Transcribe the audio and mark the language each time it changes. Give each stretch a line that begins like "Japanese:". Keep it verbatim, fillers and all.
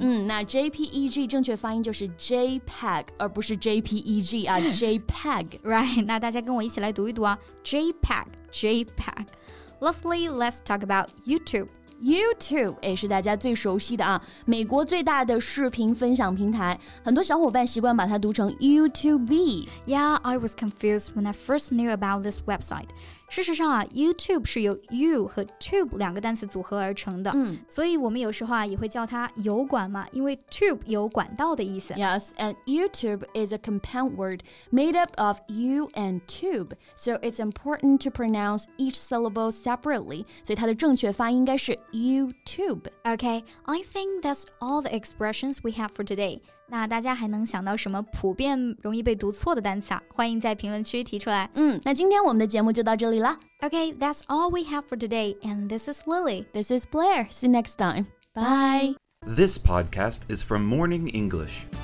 Chinese: 嗯、那 J P E G 正确发音就是 JPEG 而不是 J P E G 啊，JPEG Right， 那大家跟我一起来读一读啊 JPEG JPEG
English: Lastly, let's talk about YouTube
Chinese: YouTube 也是大家最熟悉的啊，美国最大的视频分享平台，很多小伙伴习惯把它读成 YouTube
English: Yeah, I was confused when I first knew about this website.
Chinese: 事实上啊 YouTube 是由 you 和 tube 两个单词组合而成的、嗯、所以我们有时候啊也会叫它油管嘛，因为 tube 有管道的意思
English: Yes, and YouTube is a compound word made up of you and tube, so it's important to pronounce each syllable separately.
Chinese: 所以它的正确发音应该是YouTube.
English: Okay, I think that's all the expressions we have for today.
Chinese: 那大家还能想到什么普遍容易被读错的单词啊？欢迎在评论区提出来。嗯，那今天我们的节目就到这里了。
English: Okay, that's all we have for today. And this is Lily. This is Blair. See you next time. Bye. This podcast is from Morning English.